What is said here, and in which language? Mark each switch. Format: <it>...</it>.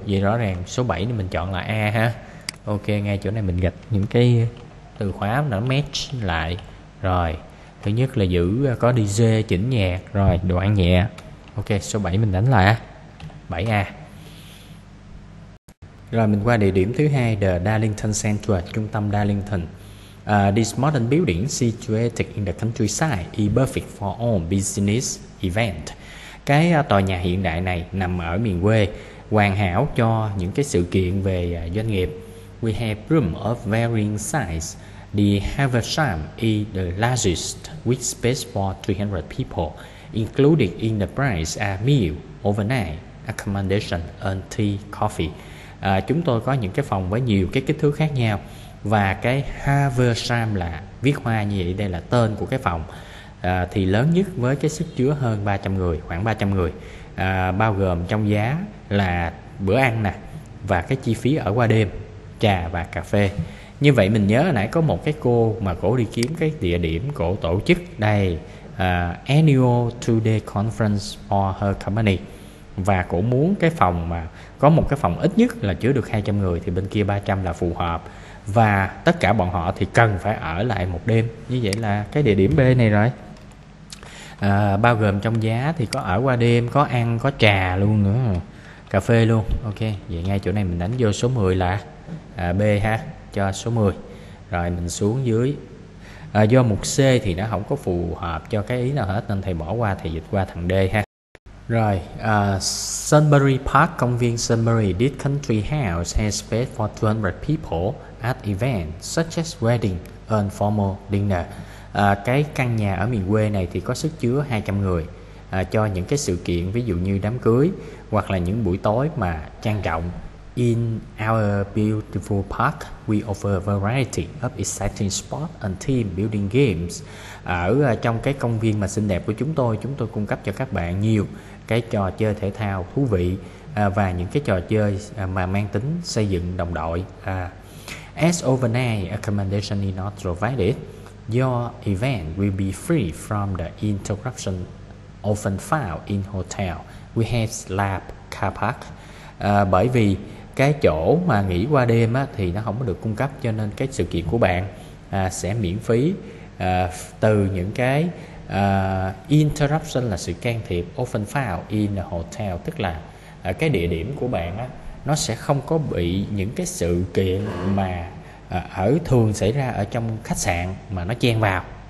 <vi>Vậy rõ ràng số 7 thì mình chọn là A ha. Ok, ngay chỗ này mình gạch những cái từ khóa nó match lại. Rồi, thứ nhất là giữ có DJ chỉnh nhạc, rồi đồ ăn nhẹ. Ok, số 7 mình đánh là 7A. Rồi mình qua địa điểm thứ hai, The Darlington Centre, trung tâm Darlington.</vi> <en>This modern building situated in the countryside is perfect for all business event.</en> <vi>Cái tòa nhà hiện đại này nằm ở miền quê, hoàn hảo cho những cái sự kiện về doanh nghiệp.</vi> <en>We have rooms of varying size. The Haversham is the largest, with space for 300 people, including in the price a meal, overnight accommodation and tea, coffee.</en> <vi>Chúng tôi có những cái phòng với nhiều cái kích thước khác nhau. Và cái Haversham là viết hoa như vậy, đây là tên của cái phòng. Thì lớn nhất với cái sức chứa hơn 300 người, khoảng 300 người, bao gồm trong giá là bữa ăn nè, và cái chi phí ở qua đêm, trà và cà phê. Như vậy mình nhớ nãy có một cái cô mà cổ đi kiếm cái địa điểm cổ tổ chức đây,</vi> <en>annual 2-day conference for her company.</en> <vi>Và cổ muốn cái phòng mà có một cái phòng ít nhất là chứa được 200 người, thì bên kia 300 là phù hợp. Và tất cả bọn họ thì cần phải ở lại một đêm. Như vậy là cái địa điểm B này rồi. Bao gồm trong giá thì có ở qua đêm, có ăn, có trà luôn nữa, cà phê luôn. Ok, vậy ngay chỗ này mình đánh vô số 10 là B ha, cho số 10. Rồi mình xuống dưới. Do mục C thì nó không có phù hợp cho cái ý nào hết, nên thầy bỏ qua, thầy dịch qua thằng D ha. Rồi, Sunbury Park, công viên Sunbury.</vi> <en>This country house has space for 200 people at events such as wedding and formal dinner.</en> <vi>Cái căn nhà ở miền quê này thì có sức chứa 200 người cho những cái sự kiện ví dụ như đám cưới hoặc là những buổi tối mà trang trọng.</vi> <en>In our beautiful park, we offer a variety of exciting sports and team building games.</en> <vi>Ở trong cái công viên mà xinh đẹp của chúng tôi cung cấp cho các bạn nhiều cái trò chơi thể thao thú vị và những cái trò chơi mà mang tính xây dựng đồng đội.</vi> <en>As overnight accommodation is not provided, your event will be free from the interruption often found in hotel. We have slab car park.</en> <vi>Bởi vì cái chỗ mà nghỉ qua đêm á, thì nó không có được cung cấp, cho nên cái sự kiện của bạn sẽ miễn phí từ những cái interruption là sự can thiệp</vi> <en>often found in the hotel,</en> <vi>tức là cái địa điểm của bạn á, nó sẽ không có bị những cái sự kiện mà ở thường xảy ra ở trong khách sạn mà nó chen vào.</vi>